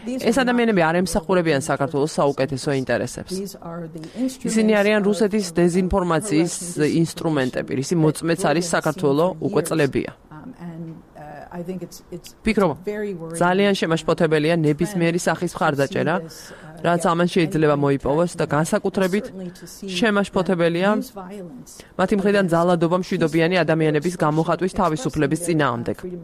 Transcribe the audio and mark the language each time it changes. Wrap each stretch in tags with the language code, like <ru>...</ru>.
<ka>ეს ადამიანები არ ემსახურებიან საქართველოს საუკეთესო ინტერესებს. ისინი არიან რუსეთის დეზინფორმაციის ინსტრუმენტები, რისი მოწმეც არის საქართველო უკვე წლებია.</ka> <en>I think it's very worrying.</en> <ka>ძალიან შემაშფოთებელია ნებისმიერი სახის მხარდაჭერა, რაც ამან შეიძლება მოიპოვოს და განსაკუთრებით შემაშფოთებელია მათი მხრიდან ძალადობა მშვიდობიანი ადამიანების გამოხატვის თავისუფლების წინააღმდეგ.</ka>